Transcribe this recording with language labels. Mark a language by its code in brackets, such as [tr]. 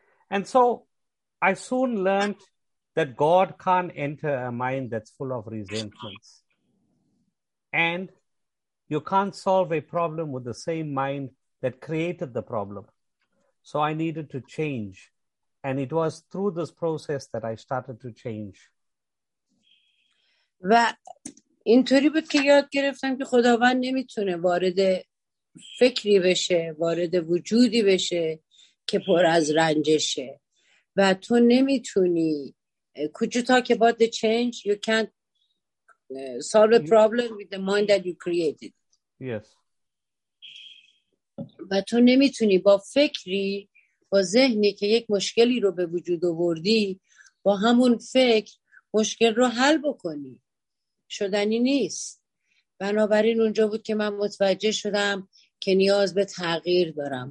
[en] And so I soon learned that God can't enter a mind that's full of resentments. And you can't solve a problem with the same mind that created the problem. So I needed to change. And it was through this process that I started to change. [fa] و اینطوری بود که یاد گرفتم که خداوند نمیتونه وارد فکری بشه، وارد وجودی بشه که پر از رنجشه. و تو نمیتونی. [en] Could you talk about the change? You can't solve a problem with the mind that you created. Yes. [fa] و تو نمیتونی با فکری، با ذهنی که یک مشکلی رو به وجود آوردی، با همون فکر مشکل رو حل بکنی. شدنی نیست. بنابراین اونجا بود که من متوجه شدم که نیاز به تغییر دارم.